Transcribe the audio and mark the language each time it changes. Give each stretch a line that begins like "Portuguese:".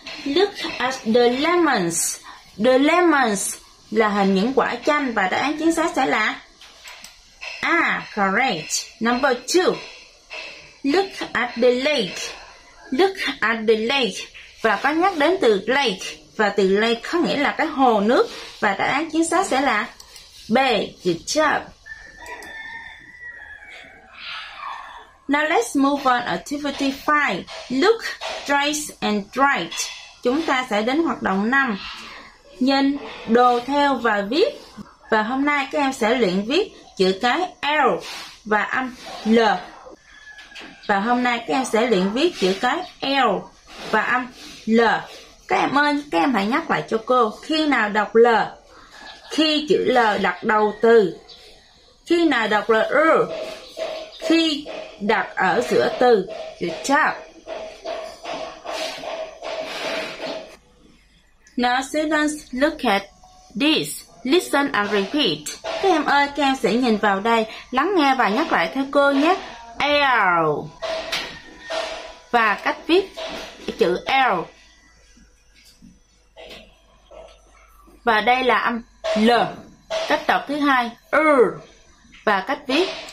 English: Look at the lemons. The lemons
Vietnamese: là hình những quả chanh và đáp án chính xác sẽ là A,
English: correct. Number 2. Look at the lake.
Vietnamese: Look at the lake và có nhắc đến từ lake và từ lake có nghĩa là cái hồ nước và đáp án chính xác sẽ là B.
English: Good job. Now let's move on activity 5. Look, trace and write.
Vietnamese: Chúng ta sẽ đến hoạt động 5. Nhìn, đồ theo và viết. Và hôm nay các em sẽ luyện viết chữ cái L và âm L. Và hôm nay các em sẽ luyện viết chữ cái L và âm L. Các em ơi, các em hãy nhắc lại cho cô. Khi nào đọc L? Khi chữ L đặt đầu từ. Khi nào đọc L? Khi đặt ở giữa từ.
English: Good job. Now students look at this. Listen and repeat.
Vietnamese: Các em ơi, các em sẽ nhìn vào đây, lắng nghe và nhắc lại theo cô nhé. L. Và cách viết chữ L. Và đây là âm L. Cách đọc thứ hai R. Và cách viết.